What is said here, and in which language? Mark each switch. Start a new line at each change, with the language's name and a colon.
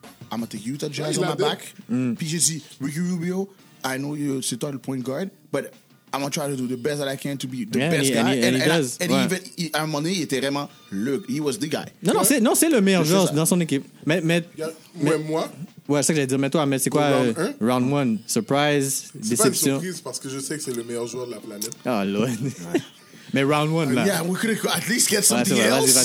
English: I'm going to take Utah Jazz on my back.
French: Puis j'ai dit,
English: Ricky Rubio, I know you,
French: c'est toi le point guard,
English: but I'm going to try to do the best that I can to be the best guy. And he does.
French: À un moment donné, il était vraiment le...
English: He was the guy.
French: Non, c'est le meilleur joueur dans son équipe. Mais moi... Ouais, c'est ça que j'allais dire. Mais toi, mais c'est quoi round 1? Surprise, déception. C'est pas une surprise parce que je sais que c'est le meilleur joueur de la planète. Oh, Lord. Mais round 1, là.
English: Yeah, we could at least get something else.